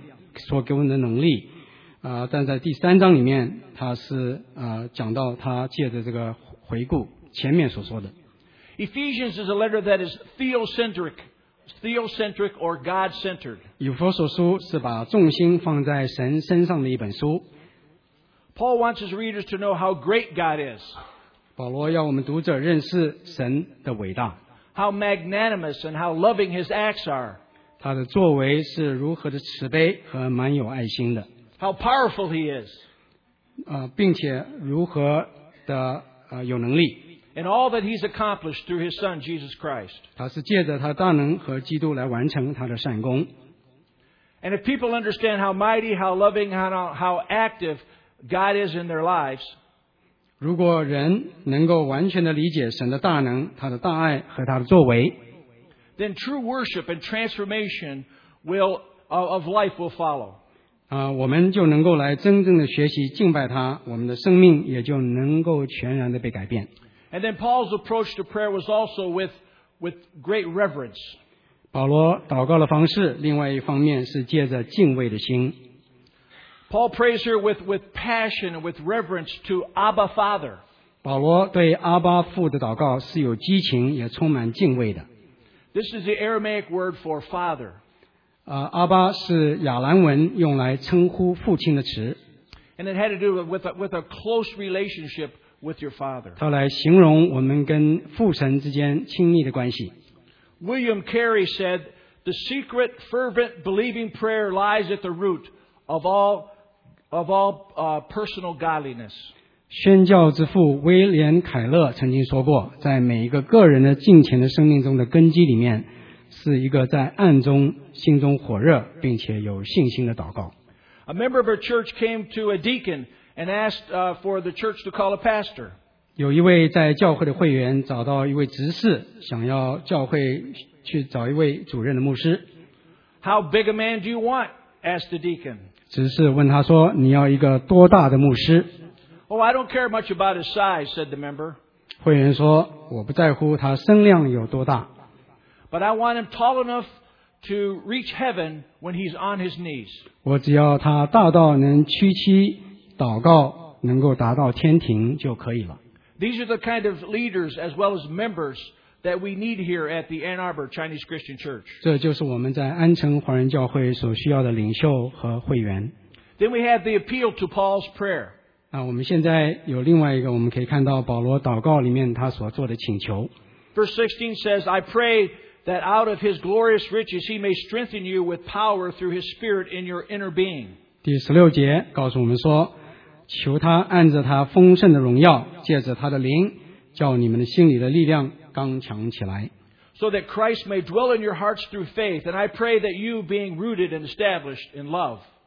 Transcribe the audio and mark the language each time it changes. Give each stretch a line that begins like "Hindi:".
Chinese: 保罗在第一章里面，他的祷告的重点是在灵里神所给我们的力量，所给我们的能力。但在第三章里面，他是讲到他借着这个回顾前面所说的。
English: Ephesians is a letter that is theocentric, theocentric or God-centered.
Chinese: 以弗所书是把重心放在神身上的一本书。
English: Paul wants his readers to know how great God is.
Chinese: 保罗要我们读者认识神的伟大。
English: How magnanimous and how loving his acts are.
Chinese: 他的作为是如何的慈悲和蛮有爱心的。
English: How powerful he is.
Chinese: 并且如何的有能力。
English: And all that he's accomplished through his son, Jesus Christ.
Chinese: 他是借着他大能和基督来完成他的善功。
English: And if people understand how mighty, how loving, how active God is in their lives,
Chinese: 如果人能够完全的理解神的大能、他的大爱和他的作为，
English: then true worship and transformation of life will follow.
Chinese: 我们就能够来真正的学习敬拜他，我们的生命也就能够全然的被改变。
English: And then Paul's approach to prayer was also with great reverence.
Chinese: 保罗祷告的方式，另外一方面是借着敬畏的心。
English: Paul prays here with passion and with reverence to Abba Father.
Chinese: 保罗对阿巴父的祷告是有激情，也充满敬畏的。
English: This is the Aramaic word for father.
Chinese: 阿巴是亚兰文用来称呼父亲的词。
English: And it had to do with a close relationship with your father.
Chinese: 它来形容我们跟父神之间亲密的关系。
English: William Carey said, "The secret fervent believing prayer lies at the root of all personal godliness."
Chinese: 宣教之父威廉·凯勒曾经说过，在每一个个人的敬虔的生命中的根基里面，是一个在暗中心中火热并且有信心的祷告。
English: A member of a church came to a deacon and asked for the church to call a pastor.
Chinese: 有一位在教会的会员找到一位执事，想要教会去找一位主任的牧师。
English: How big a man do you want? Asked the deacon.
Chinese: 执事问他说，你要一个多大的牧师？
English: Oh, I don't care much about his size, said the member.
Chinese: 会员说，我不在乎他身量有多大。
English: But I want him tall enough to reach heaven when he's on his knees.
Chinese: 我只要他大到能屈膝祷告，能够达到天庭就可以了。
English: These are the kind of leaders as well as members that we need here at the Ann Arbor Chinese Christian Church.
Chinese: 这就是我们在安城华人教会所需要的领袖和会员。
English: Then we have the appeal to Paul's prayer.
Chinese: 我们现在有另外一个，我们可以看到保罗祷告里面他所做的请求。
English: Verse 16 says, I pray that out of his glorious riches he may strengthen you with power through his spirit in your inner being.
Chinese: 第16节告诉我们说，求他按着他丰盛的荣耀，借着他的灵，叫你们的心里的力量刚强起来。
English: So that Christ may dwell in your hearts through faith, and I pray that you, being rooted and established in love,